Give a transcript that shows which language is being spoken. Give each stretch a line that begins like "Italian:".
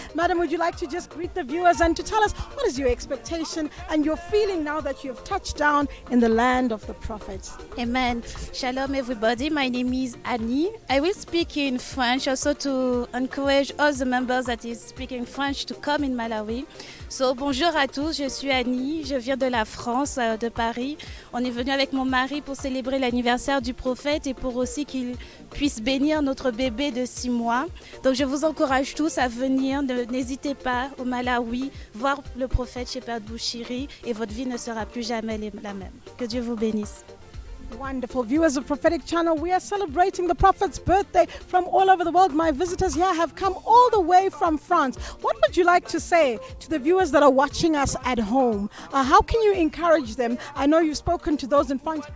English: Madam, would you like to just greet the viewers and to tell us what is your expectation and your feeling now that you've touched down in the land of the prophets? Amen. Shalom, everybody. My name is Annie. I will speak in French also to encourage all the members that is speaking French to come in Malawi.
French: So bonjour à tous. Je suis Annie. Je viens de la France. De Paris. On est venu avec mon mari pour célébrer l'anniversaire du prophète et pour aussi qu'il puisse bénir notre bébé de 6 mois. Donc je vous encourage tous à venir, n'hésitez pas au Malawi, voir le prophète Shepherd Bushiri et votre vie ne sera plus jamais la même. Que Dieu vous bénisse.
English: Wonderful. Viewers of Prophetic Channel, we are celebrating the prophet's birthday from all over the world. My visitors here have come all the way from France. What would you like to say to the viewers that are watching us at home? How can you encourage them? I know you've spoken to those in France.